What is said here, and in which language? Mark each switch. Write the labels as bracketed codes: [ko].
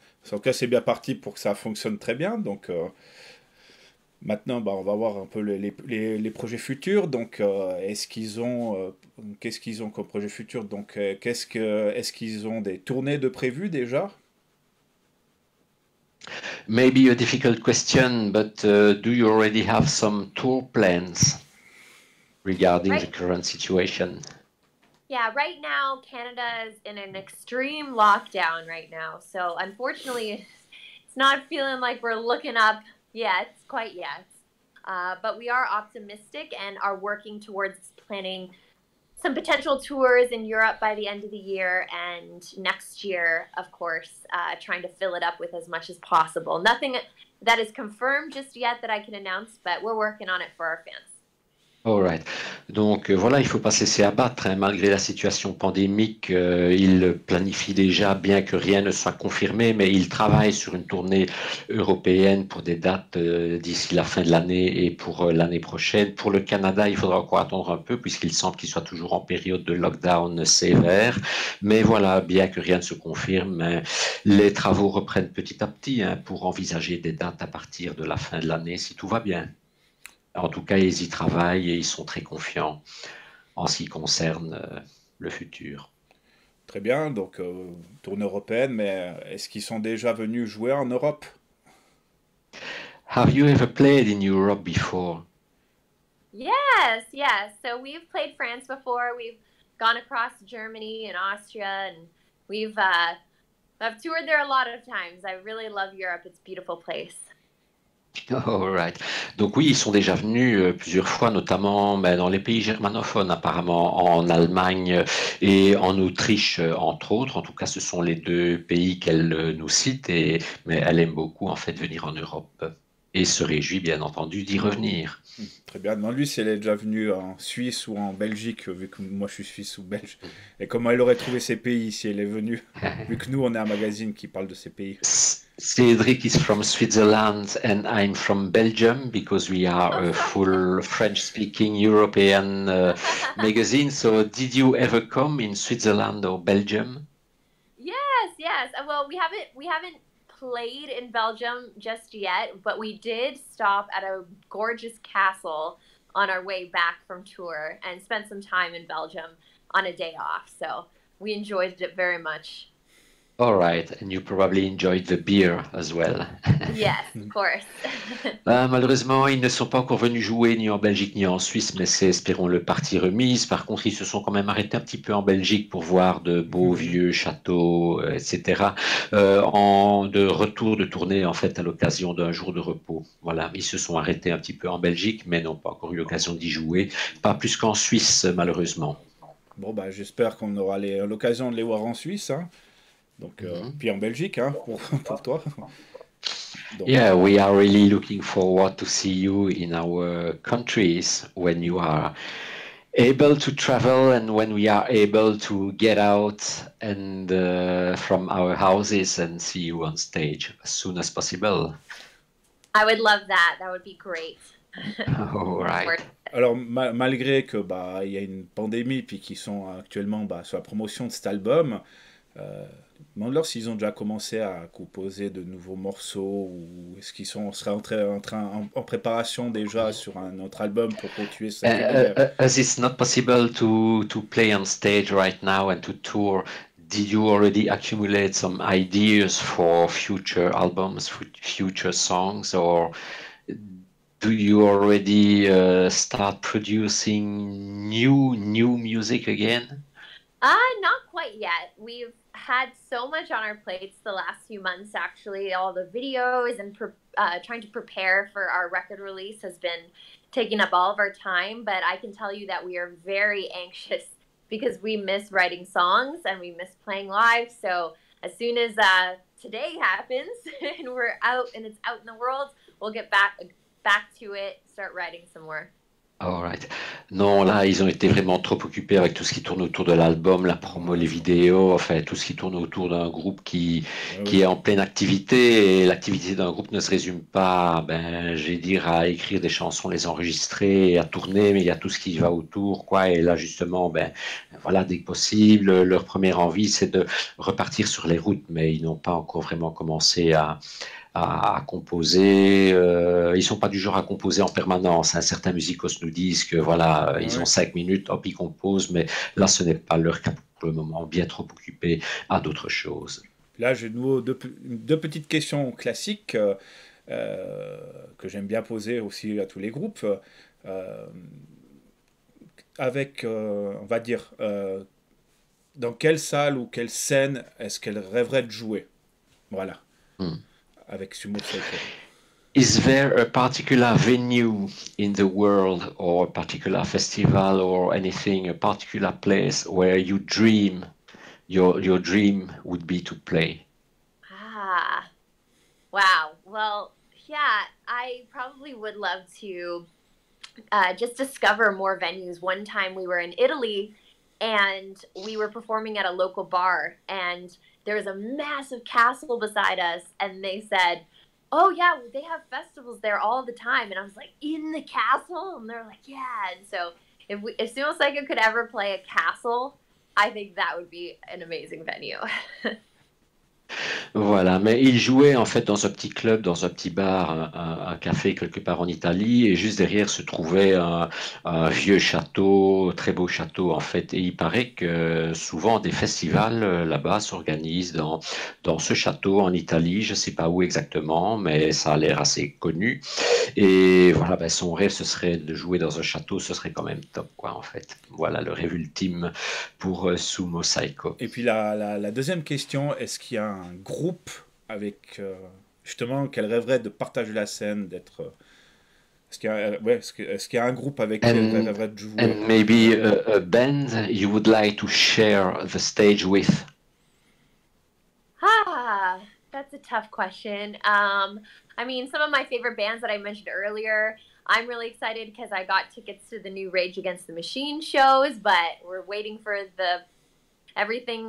[fr] En tout cas, c'est bien parti pour que ça fonctionne très bien. Donc, maintenant, bah, on va voir un peu les projets futurs. Donc, qu'est-ce qu'ils ont comme projet futur? Donc, est-ce qu'ils ont des tournées de prévues déjà? [en] Maybe a difficult question, but do you already have some tour plans regarding the Right. current situation? Yeah, right now Canada is in an extreme lockdown right now. So unfortunately, it's not feeling like we're looking up yet, quite yet. But we are optimistic and are working towards planning some potential tours in Europe by the end of the year and next year, of course, trying to fill it up with as much as possible. Nothing that is confirmed just yet that I can announce, but we're working on it for our fans. All right. [fr] Donc voilà, il ne faut pas cesser à battre. Hein. Malgré la situation pandémique, ils planifient déjà, bien que rien ne soit confirmé, mais ils travaillent sur une tournée européenne pour des dates d'ici la fin de l'année et pour l'année prochaine. Pour le Canada, il faudra encore attendre un peu, puisqu'il semble qu'il soit toujours en période de lockdown sévère. Mais voilà, bien que rien ne se confirme, hein, les travaux reprennent petit à petit hein, pour envisager des dates à partir de la fin de l'année, si tout va bien. En tout cas, ils y travaillent et ils sont très confiants en ce qui concerne le futur. Très bien, donc tournée européenne, mais est-ce qu'ils sont déjà venus jouer en Europe? [en] Have you ever played in Europe before? Yes. So we've played France before. We've gone across Germany and Austria, and I've toured there a lot of times. I really love Europe. It's a beautiful place. All right. [fr] Donc oui, ils sont déjà venus plusieurs fois, notamment ben, dans les pays germanophones, apparemment en Allemagne et en Autriche, entre autres. En tout cas, ce sont les deux pays qu'elle nous cite, mais elle aime beaucoup en fait venir en Europe et se réjouit bien entendu d'y revenir. Très bien. Non, lui, s'il est déjà venu en Suisse ou en Belgique, vu que moi je suis suisse ou belge, et comment elle aurait trouvé ces pays si elle est venue, vu que nous on est un magazine qui parle de ces pays. [en] Cédric is from Switzerland and I'm from Belgium because we are Oh, a full French-speaking European magazine. So, did you ever come in Switzerland or Belgium? Yes. Well, we haven't played in Belgium just yet, but we did stop at a gorgeous castle on our way back from tour and spent some time in Belgium on a day off. So we enjoyed it very much. All right, and you probably enjoyed the beer as well. Yes, of course. [fr] Malheureusement, ils ne sont pas encore venus jouer ni en Belgique ni en Suisse, mais c'est, espérons-le, partie remise. Par contre, ils se sont quand même arrêtés un petit peu en Belgique pour voir de beaux vieux châteaux, etc. De retour de tournée, en fait, à l'occasion d'un jour de repos. Voilà, ils se sont arrêtés un petit peu en Belgique, mais n'ont pas encore eu l'occasion d'y jouer. Pas plus qu'en Suisse, malheureusement. Bon, bah, j'espère qu'on aura l'occasion de les voir en Suisse, hein. Donc, puis en Belgique, hein, pour toi. Donc, [en] Yeah, we are really looking forward to see you in our countries when you are able to travel and when we are able to get out and from our houses and see you on stage as soon as possible. I would love that. That would be great. All right. [fr] Alors, malgré que bah il y a une pandémie puis qu'ils sont actuellement bah, sur la promotion de cet album, demande-leur s'ils ont déjà commencé à composer de nouveaux morceaux ou est-ce qu'ils sont seraient en préparation déjà sur un autre album pour continuer sa carrière. [en] As it's not possible to play on stage right now and to tour, did you already accumulate some ideas for future albums, future songs, or do you already start producing new music again? Not quite yet. We've had so much on our plates the last few months, actually. All the videos and trying to prepare for our record release has been taking up all of our time. But I can tell you that we are very anxious because we miss writing songs and we miss playing live. So as soon as today happens and we're out and it's out in the world, we'll get back back to it, start writing some more. Alright. [fr] Non, là, ils ont été vraiment trop occupés avec tout ce qui tourne autour de l'album, la promo, les vidéos, enfin, tout ce qui tourne autour d'un groupe qui est en pleine activité. Et l'activité d'un groupe ne se résume pas, ben, j'ai dire, à écrire des chansons, les enregistrer, à tourner, mais il y a tout ce qui va autour, quoi. Et là, justement, ben, voilà, dès que possible, leur première envie, c'est de repartir sur les routes, mais ils n'ont pas encore vraiment commencé à composer. Ils sont pas du genre à composer en permanence. Hein. Certains musicos nous disent que voilà, ils ont 5 minutes, hop, ils composent, mais là, ce n'est pas leur cas pour le moment, bien trop occupés à d'autres choses. Là, j'ai de nouveau deux petites questions classiques que j'aime bien poser aussi à tous les groupes. Avec, on va dire, dans quelle salle ou quelle scène est-ce qu'elle rêverait de jouer? Voilà, avec Sumo Cyco. [en] Is there a particular venue in the world or a particular festival or anything, a particular place where you dream, your dream would be to play? Wow. Well, yeah, I probably would love to just discover more venues. One time we were in Italy and we were performing at a local bar, and there was a massive castle beside us, and they said, "Oh yeah, they have festivals there all the time." And I was like, "In the castle?" And they're like, "Yeah." And so if Sumo Cyco could ever play a castle, I think that would be an amazing venue. [fr] Voilà, mais il jouait en fait dans un petit club, dans un petit bar, un café quelque part en Italie, et juste derrière se trouvait un vieux château, très beau château en fait. Et il paraît que souvent des festivals là-bas s'organisent dans ce château en Italie, je ne sais pas où exactement, mais ça a l'air assez connu. Et voilà, ben, son rêve, ce serait de jouer dans un château, ce serait quand même top, quoi, en fait. Voilà le rêve ultime pour Sumo Cyco. Et puis la deuxième question, est-ce qu'il y a un groupe avec justement qu'elle rêverait de partager la scène, d'être est-ce qu'il y a, ouais, est-ce qu'il y a un groupe avec qui elle [en] And [fr] rêverait de jouer? [en] maybe a band you would like to share the stage with? Ah, that's a tough question. I mean, some of my favorite bands that I mentioned earlier, I'm really excited because I got tickets to the new Rage Against the Machine shows, but we're waiting for the everything.